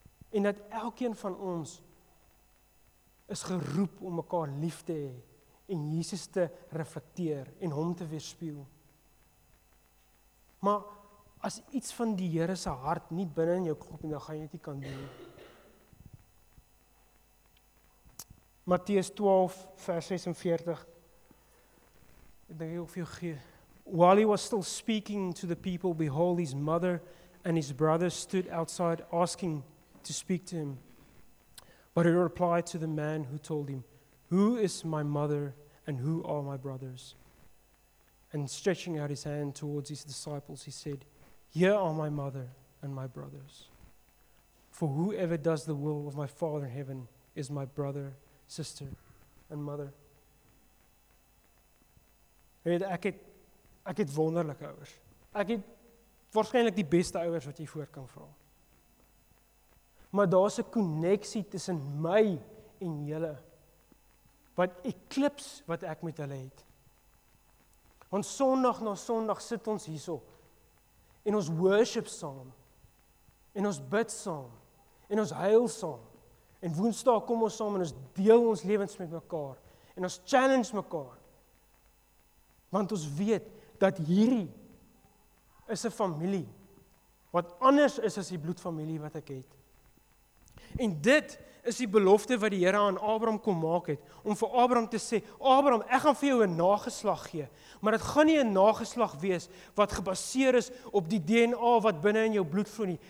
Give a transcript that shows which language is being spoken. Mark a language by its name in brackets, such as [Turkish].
[Afrikaans] En dat elkeen van ons is geroep om mekaar lief te hê en Jesus te reflekteer en hom te weerspieël. Maar as iets van die Here se hart nie binne in jou klop nie, dan gaan jy dit nie kan doen. Matteus 12 vers 46. Ek dink ek wil vir jou gee. [English] While he was still speaking to the people, behold his mother and his brothers stood outside asking to speak to him. But he replied to the man who told him, "Who is my mother and who are my brothers?" And stretching out his hand towards his disciples, he said, "Here are my mother and my brothers. For whoever does the will of my Father in heaven is my brother, sister and mother." [Afrikaans] Weet, ek het wonderlike ouers. Ek het waarskynlik die beste ouers wat jy voor kan vra. Maar daar's 'n koneksie tussen my en julle. Wat eklips wat ek met hulle het. Want Sondag na Sondag sit ons hierso en ons worship saam en ons bid saam en ons huil saam. En Woensdag kom ons saam en ons deel ons lewens met mekaar. En ons challenge mekaar. Want ons weet dat hierdie is 'n familie wat anders is as die bloedfamilie wat ek het. En dit is die belofte wat die Here aan Abraham kom maak het, om vir Abraham te sê, Abraham, ek gaan vir jou 'n nageslag gee, maar dit gaan nie 'n nageslag wees wat gebaseer is op die DNA wat binne in jou bloed vloei nie.